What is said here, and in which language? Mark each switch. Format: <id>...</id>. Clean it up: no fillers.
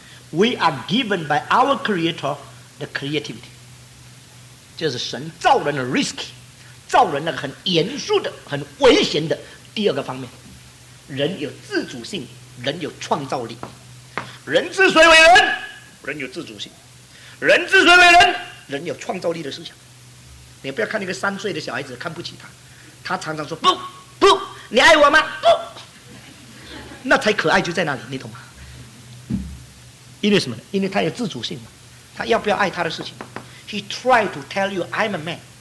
<en>We are given by our creator the creativity.</en> <zh>就是神造人的 risky， 造人那个很严肃的、很危险的第二个方面。人有自主性，人有创造力。人之所以为人，人有自主性；人之所以为人，人有创造力的思想。你不要看那个3岁的小孩子看不起他，他常常说不不，你爱我吗？不，那才可爱就在那里，你懂吗？因为什么呢？因为他有自主性嘛，他要不要爱他的事情。</zh> <en>He tried to tell you, I'm a man.</en>